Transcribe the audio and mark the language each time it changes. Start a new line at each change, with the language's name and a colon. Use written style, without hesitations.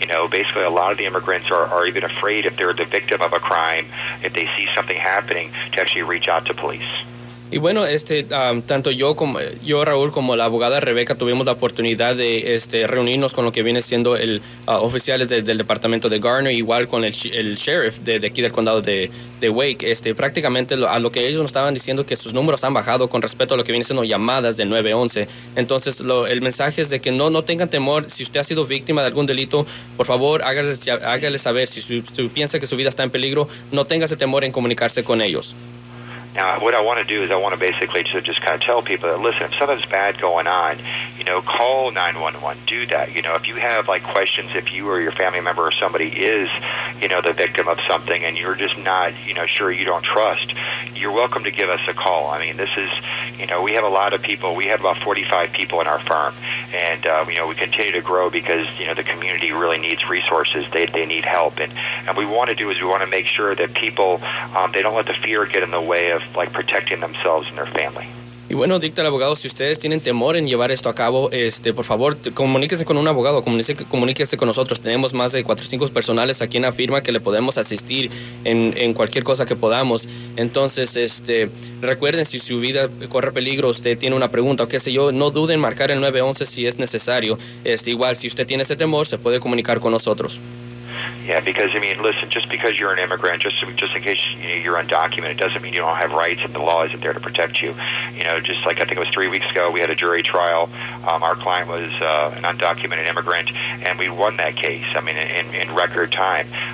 English: Basically, a lot of the immigrants are even afraid, if they're the victim of a crime, if they see something happening, to actually reach out to police.
Spanish: Y bueno, tanto yo Raúl como la abogada Rebeca tuvimos la oportunidad de reunirnos con lo que viene siendo el oficiales del departamento de Garner, igual con el sheriff de aquí del condado de Wake. Prácticamente a lo que ellos nos estaban diciendo, que sus números han bajado con respecto a lo que viene siendo llamadas de 911. Entonces, el mensaje es de que no tengan temor. Si usted ha sido víctima de algún delito, por favor, hágale saber. Si usted piensa que su vida está en peligro, no tenga ese temor en comunicarse con ellos.
English: Now, what I want to do is I want to basically just kind of tell people that, listen, if something's bad going on, you know, call 911. Do that. You know, if you have, like, questions, if you or your family member or somebody is, you know, the victim of something and you're just not, you know, sure, you don't trust, you're welcome to give us a call. I mean, this is, you know, we have a lot of people. We have about 45 people in our firm. And, you know, we continue to grow because, you know, the community really needs resources. They need help. And we want to do is we want to make sure that people, they don't let the fear get in the way of, like, protecting themselves and their family.
Spanish: Y bueno, dicta el abogado, si ustedes tienen temor en llevar esto a cabo, este, por favor, comuníquese con un abogado, comuníquese con nosotros. Tenemos más de 4 o 5 personales aquí en la firma que le podemos asistir en cualquier cosa que podamos. Entonces, este, recuerden, si su vida corre peligro, usted tiene una pregunta o qué sé yo, no duden en marcar el 911 si es necesario. Este, igual, si usted tiene ese temor, se puede comunicar con nosotros.
English: Yeah, because, I mean, listen, just because you're an immigrant, just in case you know, you're undocumented, doesn't mean you don't have rights and the law isn't there to protect you. You know, just like I think it was 3 weeks ago, we had a jury trial. Our client was an undocumented immigrant, and we won that case, I mean, in record time.